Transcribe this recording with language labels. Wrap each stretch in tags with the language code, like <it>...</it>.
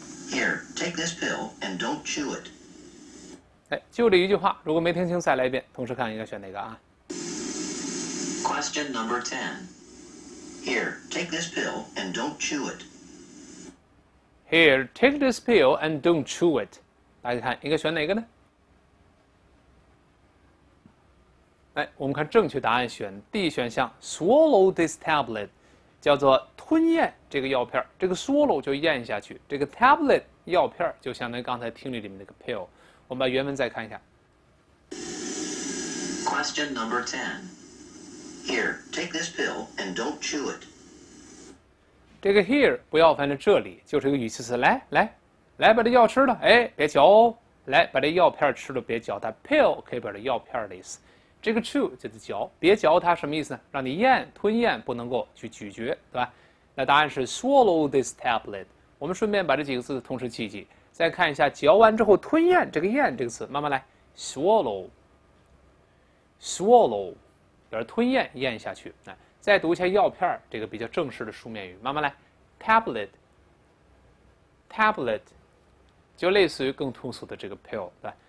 <en>Here, take this pill and don't chew it.</en> <zh>哎，就这一句话，如果没听清，再来一遍，同时看应该选哪个啊</zh> <en>？Question number ten. Here, take this pill and don't chew it. Here, take this pill and don't chew it.</en> <zh>大家看应该选哪个呢？哎，我们看正确答案选 D 选项，</zh> <en>swallow this tablet，</en> <zh>叫做吞咽这个药片儿。这个 swallow 就咽下去，这个 tablet。药片就相当于刚才听力里面那个 pill，我们把原文再看一下。</zh> <en>Question number ten. Here, take this pill and don't chew it.</en> <zh>这个 here 不要翻成这里，就是一个语气词，来来来，把这药吃了，哎，别嚼哦，来把这药片吃了，别嚼它。 pill 可以表示药片的意思，这个 chew 就是嚼，别嚼它什么意思呢？让你咽吞咽，不能够去咀嚼，对吧？那答案是</zh> <en>swallow this tablet。</en> <zh>我们顺便把这几个字同时记记，再看一下嚼完之后吞咽这个咽这个词，慢慢来，swallow，swallow，表示吞咽咽下去。来，再读一下药片这个比较正式的书面语，慢慢来，tablet，tablet，就类似于更通俗的这个 pill，对吧？</zh>